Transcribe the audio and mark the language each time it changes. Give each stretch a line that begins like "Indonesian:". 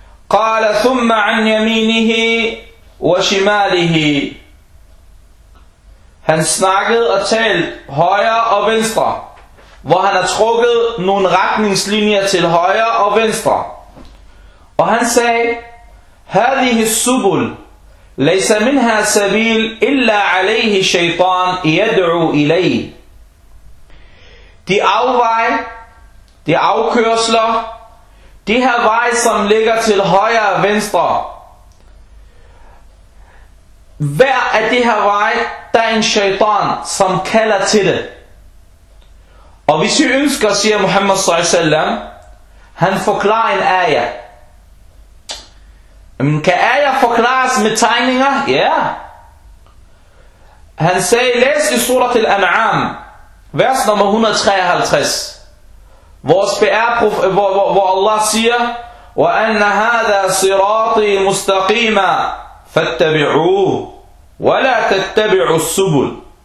Arabic: قَالَ ثُمَّ عَنْ يَمِينِهِ وَشِمَالِهِ.
Danish: Han snakkede og talte højre og venstre, hvor han har trukket nogle retningslinjer til højre og venstre. Og han sagde,
Arabic: هَذِهِ السُّبُلْ لَيْسَ مِنْهَا سَبِيلْ إِلَّا عَلَيْهِ شَيْطَانْ يَدْعُوا إِلَيْهِ.
Danish: De afveje, de afkørsler, de her veje, som ligger til højre og venstre. Hver af de her veje, der er en shaitan, som kalder til det. Og hvis vi ønsker, siger Muhammad s.a.w., han forklarer en ayah. Men kan ayah forklares med tegninger? Ja. Yeah. Han sagde, læs i surat al-An'am. Vers nummer 153. Hvor Allah siger,
Arabic: وَأَنَّ هَذَا صِرَاطِي مُسْتَقِيمًا فَاتَّبِعُوهُ وَلَا تَتَّبِعُوا السُّبُلْ.